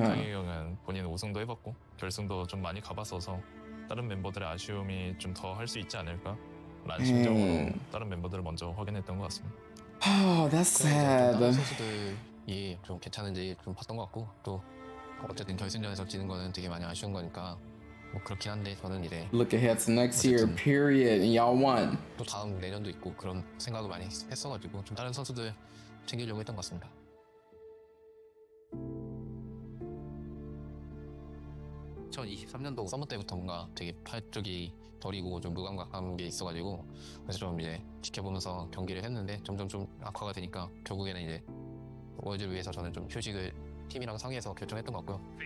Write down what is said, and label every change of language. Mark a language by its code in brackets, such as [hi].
[ko] 상혁이 형은 본인 우승도 해봤고 결승도 좀 많이 가봤어서 다른 멤버들의 아쉬움이 좀 더 할 수 있지 않을까? 라는 심정으로 다른 멤버들을 먼저 확인했던 것 같습니다. [en] Oh, that's sad. [ko] 선수들이 좀 괜찮은지 좀 봤던 것 같고 또 어쨌든 결승전에서 지는 거는 되게 많이 아쉬운 거니까. 뭐 그렇긴 한데 저는 이제 [en] Look ahead to next year, period, and y'all won. [ko] 또 다음 내년도 있고 그런 생각을 많이 했어가지고 좀 다른 선수들 챙기려고 했던 것 같습니다. ...2023년도 서머 때부터 뭔가 되게 팔 쪽이 저리고 좀 무감각한 게 있어가지고 그래서 좀 이제 지켜보면서 경기를 했는데 점점 좀 악화가 되니까 결국에는 이제 월드를 위해서 저는 좀 휴식을 팀이랑 상의해서 결정했던 것 같고요.